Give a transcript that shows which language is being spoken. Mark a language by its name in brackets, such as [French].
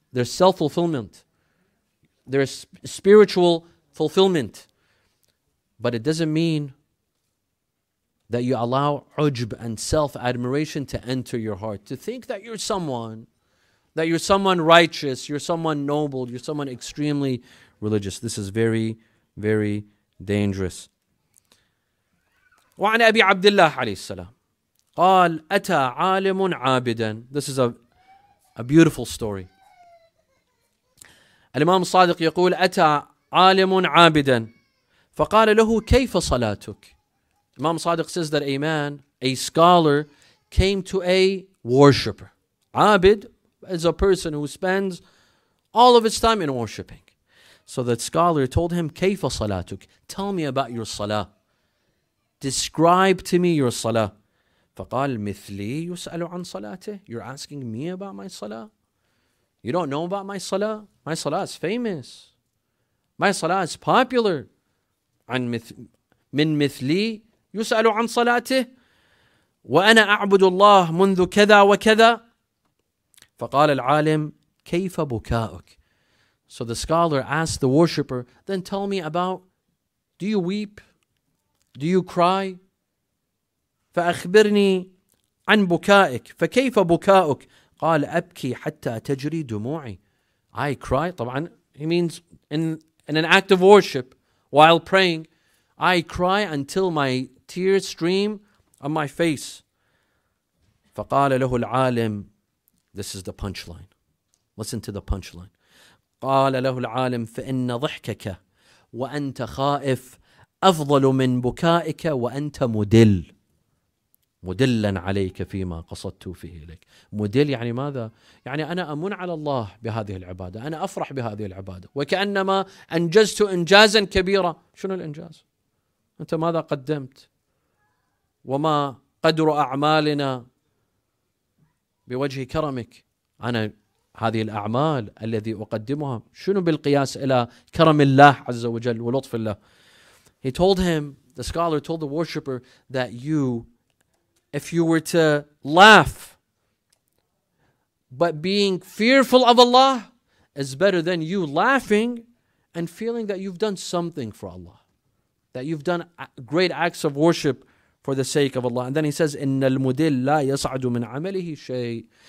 [English] There's self-fulfillment. There's spiritual fulfillment. But it doesn't mean that you allow ujb and self-admiration to enter your heart, to think that you're someone, that you're someone righteous, you're someone noble, you're someone extremely religious. This is very, very dangerous. [Arabic] وعن أبي عبد الله عليه السلام قال أتى عالم عابدا. [English] This is a beautiful story. [Arabic] الإمام الصادق يقول أتى عالم عابدا فقال له كيف صلاتك. [English] Imam Sadiq says that a man, a scholar, came to a worshipper. Abid is a person who spends all of his time in worshipping. So that scholar told him, [Arabic] كيف صلاتك? [English] Tell me about your salah. Describe to me your salah. [Arabic] فقال مثلي يسأل عن صلاته. [English] You're asking me about my salah? You don't know about my salah? My salah is famous. My salah is popular. [Arabic] عن من مثلي يسأل عن صلاته وأنا أعبد الله منذ كذا وكذا فقال العالم كيف بكاؤك. [English] So the scholar asked the worshipper, then tell me about, do you weep? Do you cry? [Arabic] فأخبرني عن بكائك فكيف بكاؤك قال أبكي حتى تجري دموعي. [English] I cry, طبعا he means in an act of worship while praying, I cry until my tears stream on my face. [Arabic] فقال له العالم, [English] this is the punchline. Listen to the punchline. [Arabic] قال له العالم فإن ضحكك وأنت خائف أفضل من بكائك وأنت مدل مدلا عليك فيما قصدت فيه لك. مدل يعني ماذا؟ يعني أنا أمن على الله بهذه العبادة, أنا أفرح بهذه العبادة, وكأنما أنجزت إنجازا كبيرا. شنو الإنجاز؟ أنت ماذا قدمت؟ وما قدر أعمالنا بوجه كرمك. أنا هذه الأعمال الذي أقدمها شنو بالقياس إلى كرم الله عز وجل ولطف الله. [English] He told him, the scholar told the worshipper, that you, if you were to laugh, but being fearful of Allah is better than you laughing and feeling that you've done something for Allah, that you've done great acts of worship for the sake of Allah. And then he says, [Arabic] إِنَّ الْمُدِلْ لَا يَصْعَدُ مِنْ عَمَلِهِ شَيْءٍ.